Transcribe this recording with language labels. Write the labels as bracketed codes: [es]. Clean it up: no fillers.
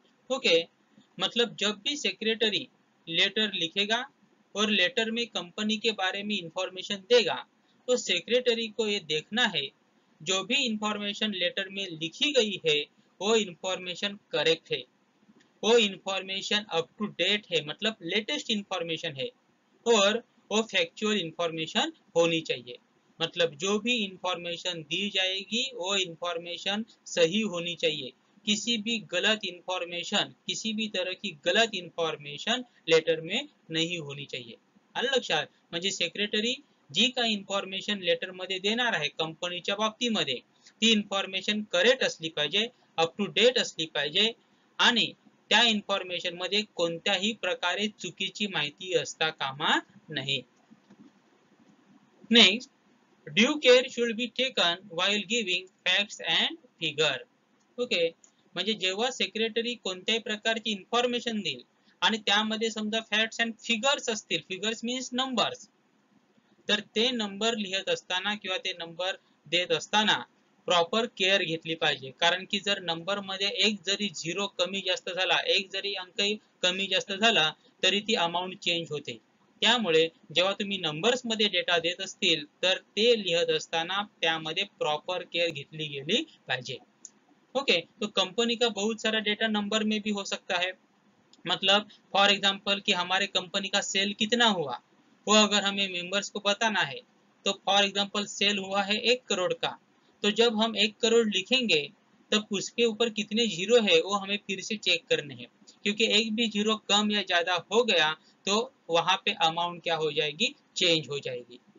[hi] Okay, मतलब जब भी सेक्रेटरी लेटर लिखेगा और लेटर में कंपनी के बारे में इंफॉर्मेशन देगा तो सेक्रेटरी को ये देखना है जो भी इंफॉर्मेशन लेटर में लिखी गई है वो इंफॉर्मेशन करेक्ट है, वो इंफॉर्मेशन अप टू डेट है, मतलब लेटेस्ट इंफॉर्मेशन है, और वो फैक्चुअल इंफॉर्मेशन होनी चाहिए. मतलब जो भी इंफॉर्मेशन दी जाएगी वो इंफॉर्मेशन सही होनी चाहिए, किसी भी गलत इंफॉर्मेशन, किसी भी तरह की गलत इंफॉर्मेशन लेटर में नहीं होनी चाहिए। [mr] अलग लक्षात म्हणजे सेक्रेटरी जी का इन्फॉर्मेशन लेटर मध्ये देणार आहे कंपनीच्या बाबतीमध्ये ती इन्फॉर्मेशन करेक्ट असली पाहिजे, अप टू डेट असली पाहिजे आणि त्या इन्फॉर्मेशन मध्ये कोणत्याही प्रकारे चुकीची माहिती असता कामा नये। [en] Next, due care should be taken while giving facts and figure. [mr] Okay, म्हणजे जेव्हा सेक्रेटरी कोणत्याही प्रकारची इन्फॉर्मेशन देईल आणि त्यामध्ये समजा फॅक्ट्स अँड फिगर्स असतील, [en] figures means numbers, [mr] तर ते नंबर लिहत असताना किंवा ते नंबर देत असताना प्रॉपर केअर घेतली पाहिजे, कारण की जर नंबर मध्ये एक जरी झिरो कमी जास्त झाला, एक जरी अंक कमी जास्त झाला तरी ती अमाऊंट चेंज होते, त्यामुळे जेव्हा तुम्ही नंबर्स मध्ये डेटा देत असतील तर ते लिहत असताना त्यामध्ये प्रॉपर केअर घेतली गेली पाहिजे। [hi] ओके, तो कंपनी का बहुत सारा डेटा नंबर में भी हो सकता है, मतलब [en] for example [hi] कि हमारे कंपनी का सेल कितना हुआ वो अगर हमें मेंबर्स को बताना है, तो फॉर एग्जाम्पल सेल हुआ है 1 करोड़ का, तो जब हम 1 करोड़ लिखेंगे तब उसके ऊपर कितने जीरो है वो हमें फिर से चेक करने हैं, क्योंकि एक भी जीरो कम या ज्यादा हो गया तो वहां पे अमाउंट क्या हो जाएगी, चेंज हो जाएगी।